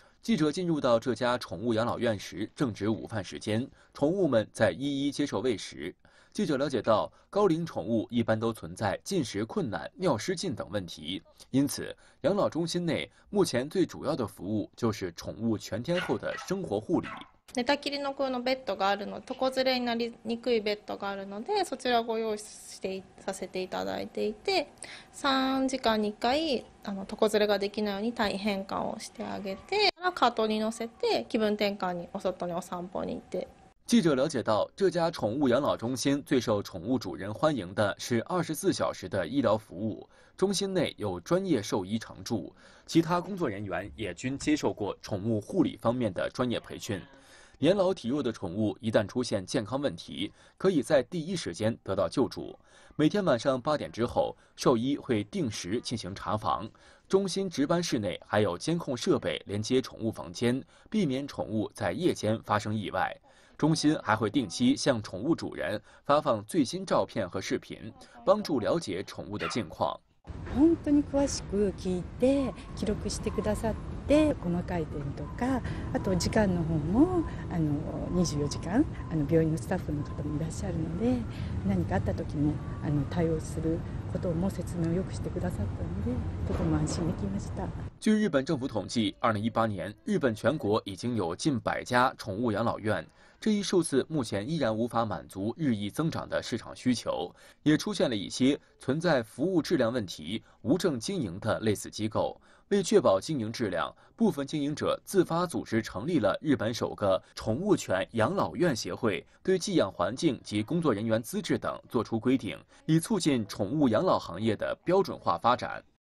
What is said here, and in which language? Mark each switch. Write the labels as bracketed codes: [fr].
[zh] 记者进入到这家宠物养老院时，正值午饭时间，宠物们在一一接受喂食。记者了解到，高龄宠物一般都存在进食困难、尿失禁等问题，因此养老中心内目前最主要的服务就是宠物全天候的生活护理。 [ja] 寝たきりの子のベッドがあるので、床ずれになりにくいベッドがあるので、そちらをご用意してさせていただいていて、3時間に1回床ずれができないように体位変換をしてあげて、カートに乗せて気分転換にお外にお散歩に行って。 [zh] 记者了解到，这家宠物养老中心最受宠物主人欢迎的是24小时的医疗服务。中心内有专业兽医常驻，其他工作人员也均接受过宠物护理方面的专业培训。年老体弱的宠物一旦出现健康问题，可以在第一时间得到救助。每天晚上8点之后，兽医会定时进行查房。中心值班室内还有监控设备连接宠物房间，避免宠物在夜间发生意外。中心还会定期向宠物主人发放最新照片和视频，帮助了解宠物的近况。 [ja] 本当に詳しく聞いて記録してくださって、細かい点とか、あと時間の方も24時間病院のスタッフの方もいらっしゃるので、何かあった時も対応することも説明をよくしてくださったので、とても安心できました。 [zh] 据日本政府统计，2018年日本全国已经有近100家宠物养老院，这一数字目前依然无法满足日益增长的市场需求，也出现了一些存在服务质量问题、无证经营的类似机构。为确保经营质量，部分经营者自发组织成立了日本首个宠物犬养老院协会，对寄养环境及工作人员资质等作出规定，以促进宠物养老行业的标准化发展。